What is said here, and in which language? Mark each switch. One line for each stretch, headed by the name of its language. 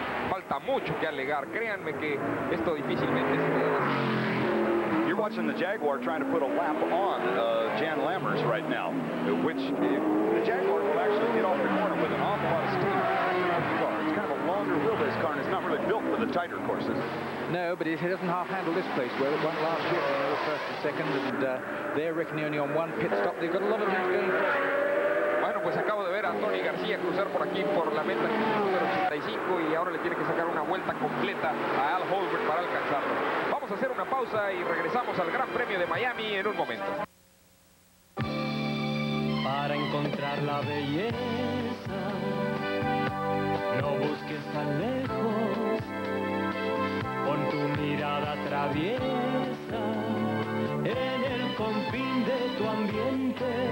Spanish: Falta mucho que alegar, créanme que esto difícilmente se puede hacer.
English: You're watching the Jaguar trying to put a lap on Jan Lammers right now, which the Jaguar will actually get off the corner with an awful lot of steam. It's kind of a longer wheelbase car, and it's not really built for the tighter courses. No, but it doesn't half handle this place where it went last year, the first and second, and they're reckoning only on one pit stop. They've got a lot of things going for.
Spanish: Bueno, pues acabo de ver a Tony García cruzar por aquí por la meta número 85 y ahora le tiene que sacar una vuelta completa a Al Horvath para alcanzarlo. Vamos a hacer una pausa y regresamos al Gran Premio de Miami en un momento. Para encontrar la belleza, no busques tan lejos, con tu mirada traviesa, en el confín de tu ambiente.